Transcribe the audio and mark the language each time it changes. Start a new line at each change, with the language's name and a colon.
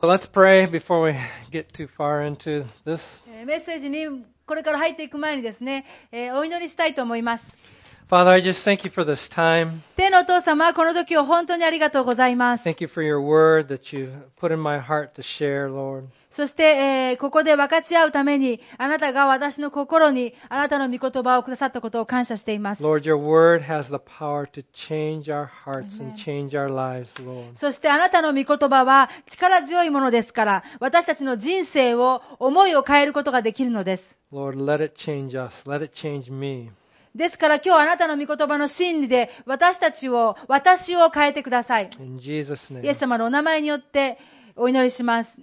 English: Well, let's pray before we get too far into this.
Japanese: メッセージにこれから入っていく前にですね、お祈りしたいと思います。
English: Father, I just thank you for this time.
Japanese: 天のお父様、この時を本当にありがとうございます。
English: Thank you for your word that you put in my heart to share, Lord.
Japanese: そして、ここで分かち合うために、あなたが私の心にあなたの御言葉をくださったことを感謝しています。
English: Lord, your word has the power to change our hearts and change our lives, Lord.
Japanese: そしてあなたの御言葉は力強いものですから、私たちの人生を、思いを変えることができるのです。
English: Lord, let it change us. Let it change me.
Japanese: ですから今日あなたの御言葉の真理で私を変えてください。イエス様のお名前によってお祈りします。